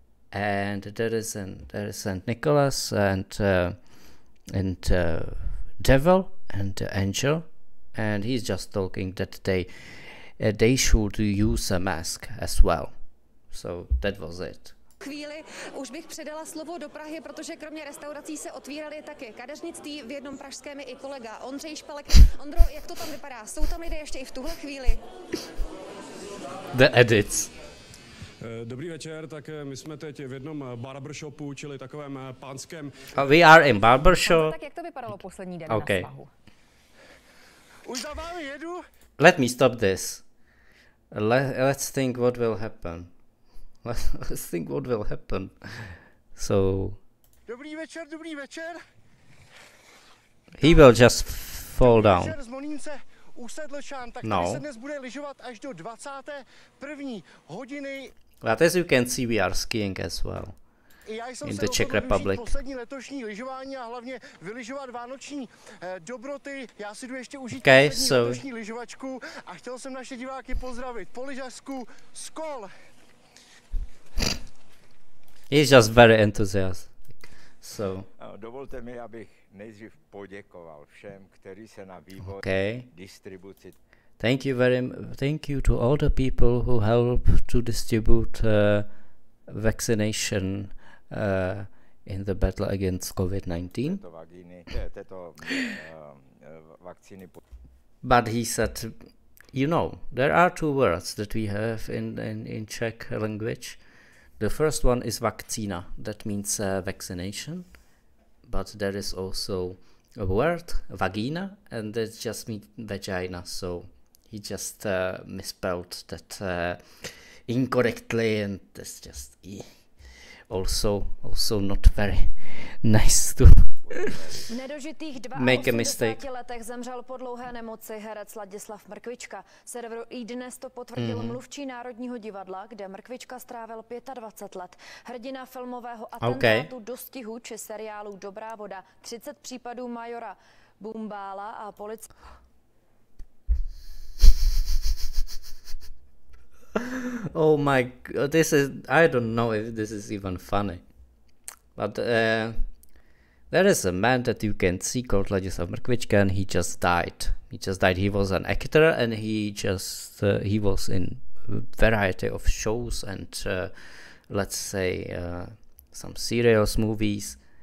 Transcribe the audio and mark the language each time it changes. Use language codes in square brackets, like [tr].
[en] And there is Saint Nicholas and devil and angel, and he's just talking that they should use a mask as well. So that was it. [cs] Chvíli už bych předala slovo do Prahy, protože kromě restaurací se otvíraly také kadeřnictví, v jednom pražském je i kolega Ondřej Špalek. Ondro, jak to tam vypadá? Jsou tam lidé ještě i v tuhle chvíli? [en] The edits. [cs] Dobrý večer, tak my jsme teď v jednom barbershopu, čili takovém pánském. [en] We are in barbershop. [cs] Tak jak to vypadalo poslední den okay. Na svahu? Už za vámi jedu. [en] Let me stop this. Let's think what will happen. Let's think what will happen. So. [cs] Dobrý večer. [en] He will just fall down. [cs] Už se dlčám, tak no. Tady se dnes bude lyžovat až do 21. hodiny. [en] But as you can see, we are skiing as well in the Czech Republic. [cs] Poslední letošní lyžování a hlavně vyližovat vánoční dobroty. Já si jdu ještě užít [en] okay, [cs] letošní lyžovačku a chtěl jsem naše diváky pozdravit po lyžařsku Skol. [en] He's just very enthusiastic. So. [cs] Dovolte mi, abych nejdřív poděkoval všem, kteří se na vývoj [en] okay. [cs] Distribuci. [en] Thank you to all the people who help to distribute vaccination in the battle against COVID-19. But he said, you know, there are two words that we have in Czech language. The first one is vakcína, that means vaccination. But there is also a word, vagina, and that just means vagina. So he just misspelled that incorrectly, and that's just also not very nice to [cs] v nedožitých 82 letech zemřel po dlouhé nemoci herec Ladislav Mrkvička. Serveru i dnes to potvrdil mluvčí Národního divadla, kde Mrkvička strávil 25 let. Hrdina filmového atentátu okay. Dostihu či seriálu Dobrá voda, 30 případů majora Bumbála a policie. [en] Oh my god, this is, I don't know if this is even funny. But There is a man that you can see called Ladislav Mrkvička, and he just died. He was an actor, and he just he was in variety of shows and let's say some serious movies.